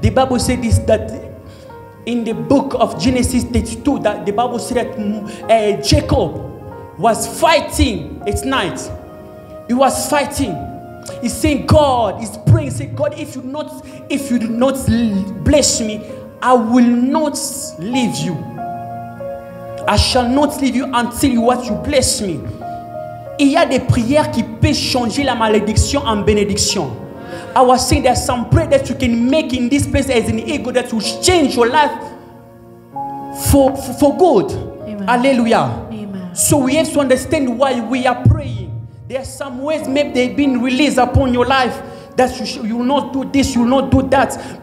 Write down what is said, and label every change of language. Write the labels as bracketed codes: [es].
[en] The Bible says this, that in the book of Genesis 32, that the Bible said that Jacob was fighting at night. He was fighting. He's saying, God, he's praying, saying, God, if you do not bless me, I will not leave you. I shall not leave you until you bless me. [fr] il y a des prières qui peuvent changer la malédiction en bénédiction. [en] I was saying there's some prayer that you can make in this place as an ego that will change your life for good. Amen. Hallelujah. Amen. So we have to understand why we are praying. There are some ways maybe they've been released upon your life that you will not do this, you will not do that.